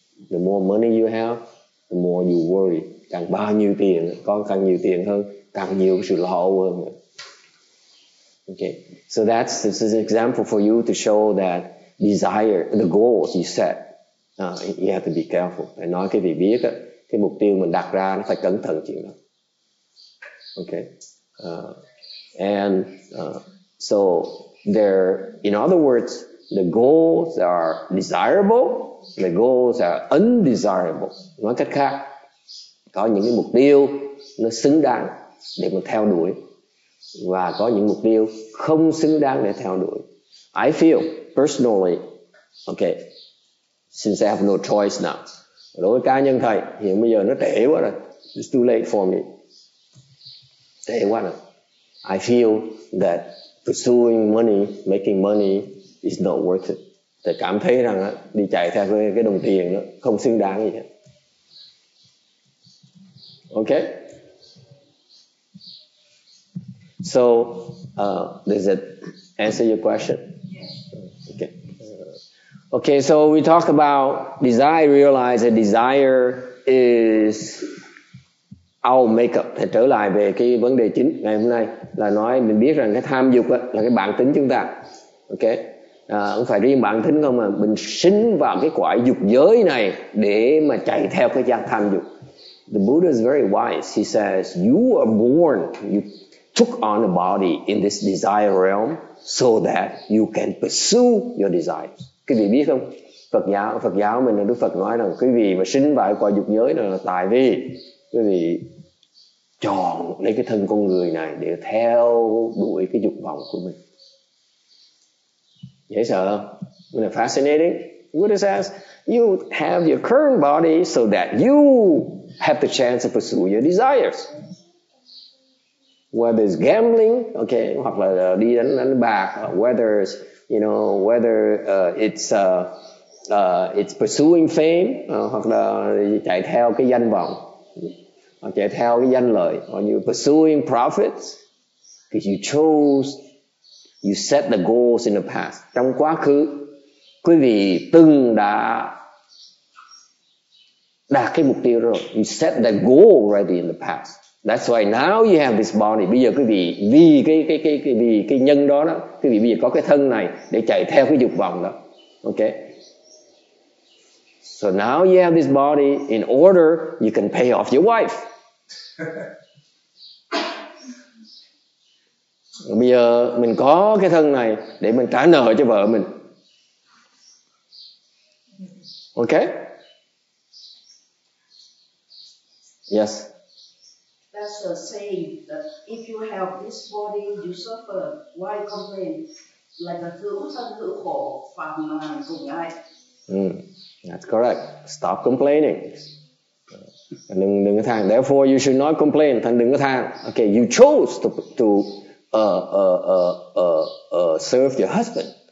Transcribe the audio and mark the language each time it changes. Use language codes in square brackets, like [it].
[en] The more money you have, the more you worry. [vi] Càng bao nhiêu tiền, con càng nhiều tiền hơn, càng nhiều sự lo âu hơn. [en] Okay, so this is an example for you to show that desire, the goals you set, you have to be careful. [vi] Để nói cái vị biết á, cái mục tiêu mình đặt ra nó phải cẩn thận chuyện đó. [en] Okay, so there, in other words, the goals are desirable, the goals are undesirable. [vi] Nói cách khác, có những cái mục tiêu nó xứng đáng để mình theo đuổi. Và có những mục tiêu không xứng đáng để theo đuổi. [en] I feel personally, okay, since I have no choice now. [vi] Đối với cá nhân thầy, hiện bây giờ nó trễ quá rồi. [en] It's too late for me. [vi] Trễ quá rồi. [en] I feel that pursuing money, making money is not worth it. [vi] Thầy cảm thấy rằng đi chạy theo cái đồng tiền đó không xứng đáng gì hết. [en] Okay. So, does it answer your question? Yes. Okay. Okay, so we talk about desire. Realize that desire is our makeup. [vi] Thì trở lại về cái vấn đề chính ngày hôm nay là nói mình biết rằng cái tham dục là cái bản tính chúng ta. Okay. Không phải riêng bản tính không mà mình sinh vào cái quả dục giới này để mà chạy theo cái giác tham dục. [en] The Buddha is very wise. He says, you are born, you took on a body in this desire realm so that you can pursue your desires. [vi] Quý vị biết không? Phật giáo mình, Đức Phật nói rằng quý vị mà sinh vào quả dục giới là tại vì quý vị chọn lấy cái thân con người này để theo đuổi cái dục vọng của mình. [en] Yes, fascinating. Buddha says, you have your current body so that you have the chance to pursue your desires. Whether it's gambling, okay, [vi] hoặc là đi đánh đánh bạc, [en] whether it's, you know, whether it's pursuing fame, [vi] hoặc là chạy theo cái danh vọng, chạy theo cái danh lợi, [en] or you're pursuing profits, because you chose, you set the goals in the past. [vi] Trong quá khứ, quý vị từng đã đạt cái mục tiêu rồi. [en] You set the goal already in the past. That's why now you have this body. [vi] Bây giờ quý vị vì cái nhân đó đó, quý vị bây giờ có cái thân này để chạy theo cái dục vọng đó. [en] Okay. So now you have this body in order you can pay off your wife. [vi] Bây giờ mình có cái thân này để mình trả nợ cho vợ mình. [en] Okay? Yes. That's a saying that if you have this body, you suffer. Why complain? Like a [vi] tự thân tự khổ, phạm mà cùng ai. [en] That's correct. Stop complaining. [vi] Đừng có than. [en] Therefore, you should not complain. [vi] Đừng có than. [en] Okay, you chose to serve your husband.